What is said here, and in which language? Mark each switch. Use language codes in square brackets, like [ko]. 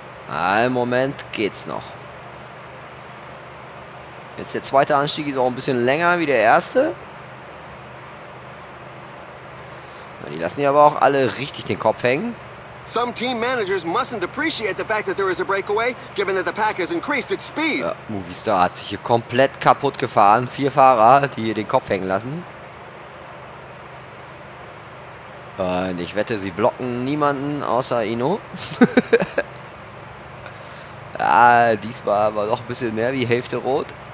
[de] Ah, im Moment geht's noch. Jetzt der zweite Anstieg ist auch ein bisschen länger wie der erste. Na, die lassen ja aber auch alle richtig den Kopf hängen. [en] Some team managers mustn't appreciate the fact that there is a breakaway, given that the pack has increased its speed. [de] Ja, Movistar hat sich hier komplett kaputt gefahren. Vier Fahrer, die hier den Kopf hängen lassen. Und ich wette, sie blocken niemanden außer Ino. Ja, diesmal war doch ein bisschen mehr wie Hälfte rot.